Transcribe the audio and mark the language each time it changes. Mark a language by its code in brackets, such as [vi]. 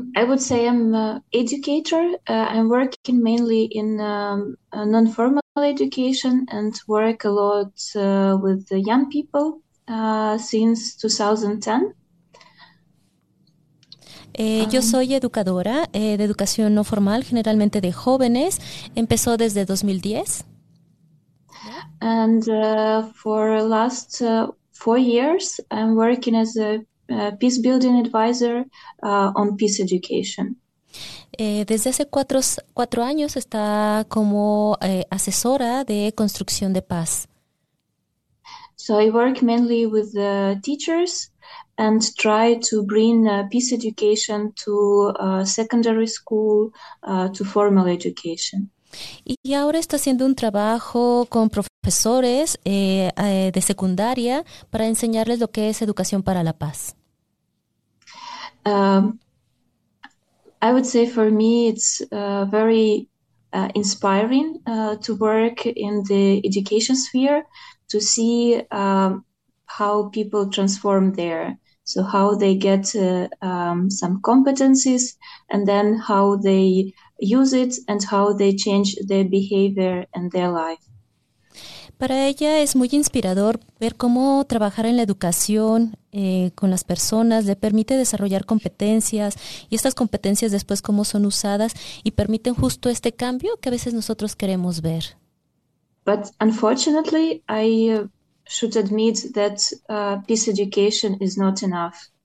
[en] I'm an educator. I'm working mainly in non-formal education and work a lot with the young people since 2010. [es] Yo soy educadora de educación no formal, generalmente de jóvenes. Empezó desde 2010. [en] And for the last 4 years, I'm working as a peace building advisor on peace education. [es] Desde hace cuatro años está como asesora de construcción de paz. [en] So I work mainly with the teachers and try to bring peace education to secondary school, to formal education. [es] Y ahora está haciendo un trabajo con profesores de secundaria para enseñarles lo que es educación para la paz. [en] I would say for me it's very inspiring to work in the education sphere, to see how people transform there. So how they get some competencies and then how they use it and how they change their behavior and their life. [es] Para ella es muy inspirador ver cómo trabajar en la educación con las personas le permite desarrollar competencias y estas competencias después cómo son usadas y permiten justo este cambio que a veces nosotros queremos ver. [en] But unfortunately, I should admit that peace education is not enough.